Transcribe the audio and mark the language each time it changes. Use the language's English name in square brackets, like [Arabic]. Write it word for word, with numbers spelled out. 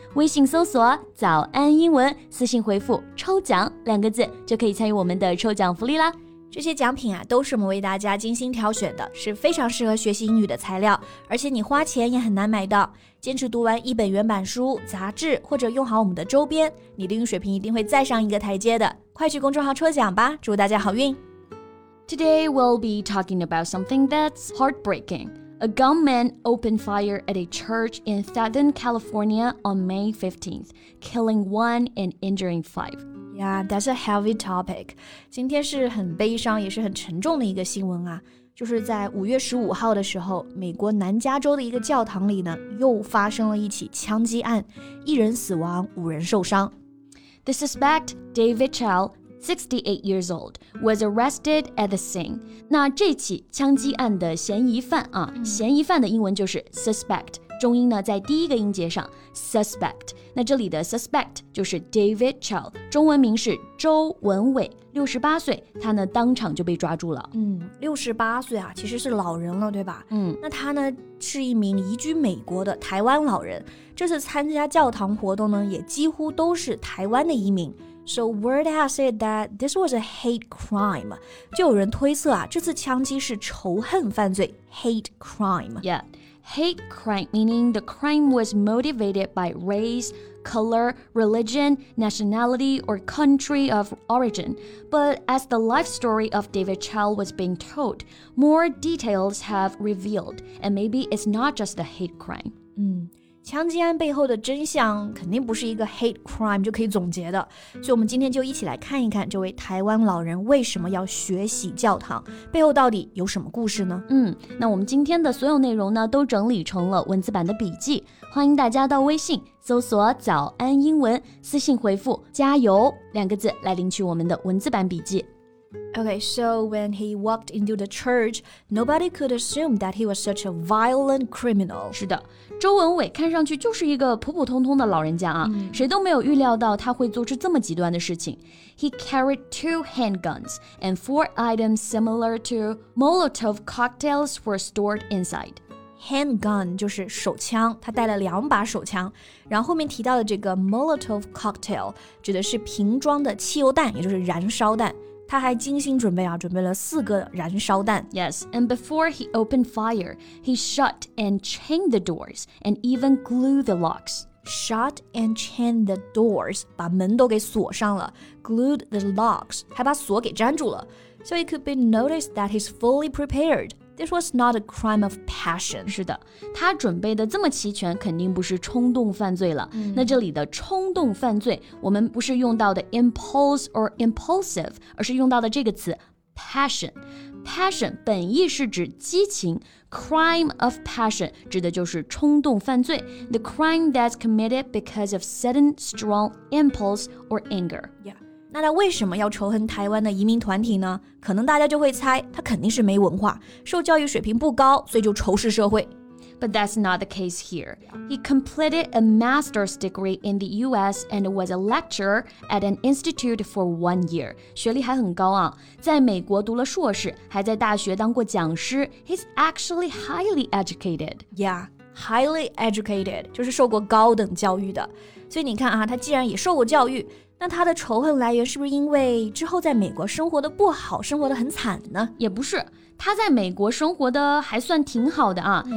[Chinese] 微信搜索早安英文，私信回复抽奖两个字，就可以参与我们的抽奖福利啦。这些奖品啊，都是我们为大家精心挑选的，是非常适合学习英语的材料，而且你花钱也很难买到。坚持读完一本原版书、杂志，或者用好我们的周边，你的英语水平一定会再上一个台阶的。快去公众号抽奖吧，祝大家好运。 [English] Today we'll be talking about something that's heartbreaking. A gunman opened fire at a church in Southern California on May fifteenth, killing one and injuring five. Yeah, that's a heavy topic. [Chinese] 今天是很悲伤也是很沉重的一个新闻啊，就是在五月十五号的时候，美国南加州的一个教堂里呢，又发生了一起枪击案，一人死亡，五人受伤。 [English] The suspect, David Chow, sixty-eight years old, was arrested at the scene. [Chinese] 那这起枪击案的嫌疑犯啊，嫌疑犯的英文就是 suspect. 中音呢在第一个音节上 suspect 那这里的 suspect 就是 David Chow 中文名是周文伟六十八岁他呢当场就被抓住了嗯， 六十八岁啊其实是老人了对吧嗯，那他呢是一名移居美国的台湾老人这次参加教堂活动呢也几乎都是台湾的移民 [English] So word has it that this was a hate crime. [Chinese] 就有人推测啊，这次枪击是仇恨犯罪 hate crime. [English] Yeah, hate crime meaning the crime was motivated by race, color, religion, nationality, or country of origin. But as the life story of David Chow was being told, more details have revealed, and maybe it's not just a hate crime. [Chinese] 嗯枪击案背后的真相肯定不是一个 hate crime 就可以总结的所以我们今天就一起来看一看这位台湾老人为什么要学习教堂背后到底有什么故事呢嗯，那我们今天的所有内容呢都整理成了文字版的笔记欢迎大家到微信搜索早安英文私信回复加油两个字来领取我们的文字版笔记 [English] Okay, so when he walked into the church, nobody could assume that he was such a violent criminal. [Chinese] 是的，周文伟看上去就是一个普普通通的老人家啊，嗯、谁都没有预料到他会做出这么极端的事情。 [English] He carried two handguns and four items similar to Molotov cocktails were stored inside. [Chinese] Handgun 就是手枪他带了两把手枪然后后面提到的这个 Molotov cocktail 指的是瓶装的汽油弹也就是燃烧弹他还精心准备啊准备了四个燃烧弹 [English] Yes, and before he opened fire, he shut and chained the doors and even glued the locks. Shut and chained the doors [Chinese] 把门都给锁上了 [English] Glued the locks [Chinese] 还把锁给粘住了 [English] So it could be noticed that he's fully prepared. This was not a crime of passion. [Chinese] 是的，他准备的这么齐全，肯定不是冲动犯罪了。嗯、那这里的冲动犯罪，我们不是用到的 impulse or impulsive， 而是用到的这个词 passion。 [English] passion [Chinese] 本意是指激情 [English] ，crime of passion [Chinese] 指的就是冲动犯罪 [English] ，the crime that's committed because of sudden strong impulse or anger. Yeah. [Chinese] 那他为什么要仇恨台湾的移民团体呢？可能大家就会猜，他肯定是没文化，受教育水平不高，所以就仇视社会。 [English] But that's not the case here. He completed a master's degree in the U S and was a lecturer at an institute for one year. [Chinese] 学历还很高啊，在美国读了硕士，还在大学当过讲师。 [English] He's actually highly educated. Yeah, highly educated [Chinese] 就是受过高等教育的。所以你看啊，他既然也受过教育。那他的仇恨来源是不是因为之后在美国生活的不好，生活的很惨呢？也不是，他在美国生活的还算挺好的啊。